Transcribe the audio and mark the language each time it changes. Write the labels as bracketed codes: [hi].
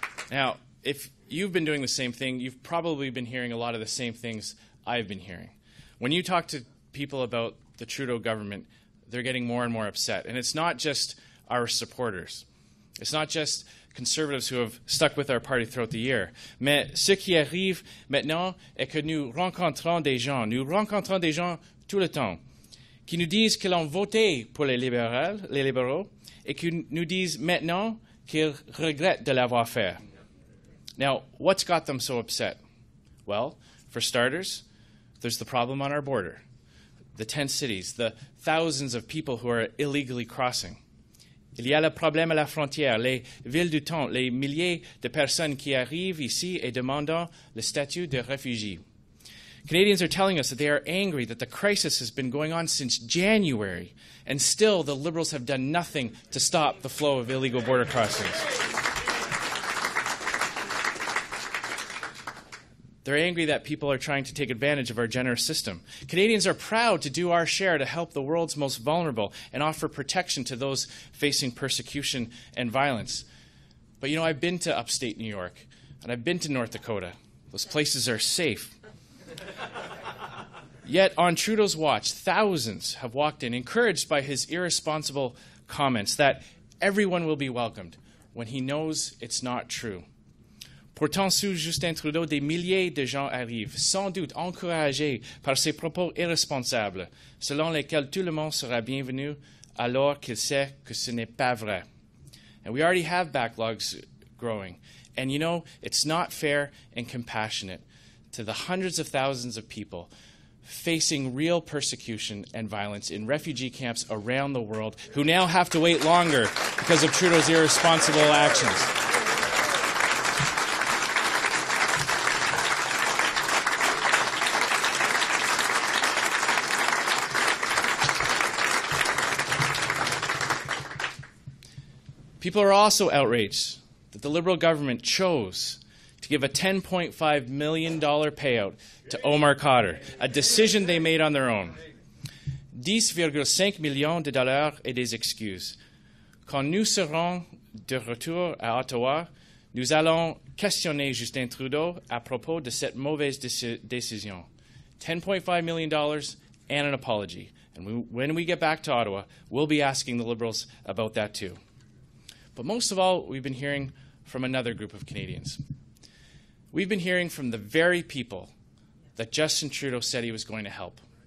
[en] Now, if you've been doing the same thing, you've probably been hearing a lot of the same things I've been hearing. When you talk to people about the Trudeau government, they're getting more and more upset. And it's not just our supporters. It's not just conservatives who have stuck with our party throughout the year. [fr] Mais ce qui arrive maintenant est que nous rencontrons des gens tout le temps qui nous disent qu'ils ont voté pour les libéraux, et qui nous disent maintenant qu'ils regrettent de l'avoir fait. [en] Now, what's got them so upset? Well, for starters, there's the problem on our border, the tent cities, the thousands of people who are illegally crossing. [fr] Il y a le problème à la frontière, les villes du temps, les milliers de personnes qui arrivent ici et demandant le statut de réfugié. [en] Canadians are telling us that they are angry that the crisis has been going on since January, and still the Liberals have done nothing to stop the flow of illegal border crossings. They're angry that people are trying to take advantage of our generous system. Canadians are proud to do our share to help the world's most vulnerable and offer protection to those facing persecution and violence. But you know, I've been to upstate New York, and I've been to North Dakota. Those places are safe. Yet on Trudeau's watch, thousands have walked in, encouraged by his irresponsible comments that everyone will be welcomed when he knows it's not true. [fr] Pourtant, sous Justin Trudeau, des milliers de gens arrivent, sans doute encouragés par ses propos irresponsables, selon lesquels tout le monde sera bienvenu, alors qu'il sait que ce n'est pas vrai. [en] And we already have backlogs growing. And you know, it's not fair and compassionate to the hundreds of thousands of people facing real persecution and violence in refugee camps around the world who now have to wait longer because of Trudeau's irresponsible actions. People are also outraged that the Liberal government chose to to give a $10.5 million payout to Omar Khadr, a decision they made on their own. [fr] 10,5 millions de dollars et des excuses. Quand nous serons de retour à Ottawa, nous allons questionner Justin Trudeau à propos de cette mauvaise décision. [en] $10.5 million and an apology. And when we get back to Ottawa, we'll be asking the Liberals about that too. But most of all, we've been hearing from another group of Canadians. We've been hearing from the very people that Justin Trudeau said he was going to help.